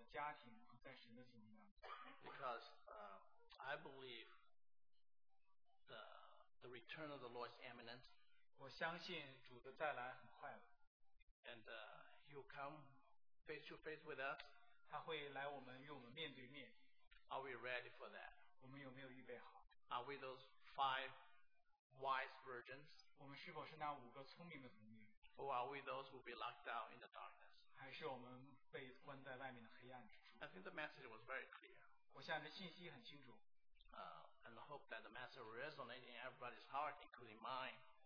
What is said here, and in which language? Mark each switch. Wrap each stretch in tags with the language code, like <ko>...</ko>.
<zh>我祷告就是主继续那做那改变的工作，在我的家庭和在神的心里面。</zh> <en>Because I believe the return of the Lord is imminent.</en> <zh>我相信主的再来很快了。</zh> <en>And He will come face to face with us.</en> <zh>他会来我们与我们面对面。</zh> <en>Are we ready for that?</en> <zh>我们有没有预备好?</zh> <en>Are we those five wise virgins?</en> <zh>我们是否是那五个聪明的童女?</zh> <en>Or are we those who will be locked out in the darkness?</en> <zh>还是我们被关在外面的黑暗之中?</zh> <en>I think the message was very clear.</en> <zh>我想这信息很清楚。</zh> <en>And I hope that the message resonates in everybody's heart, including mine.</en>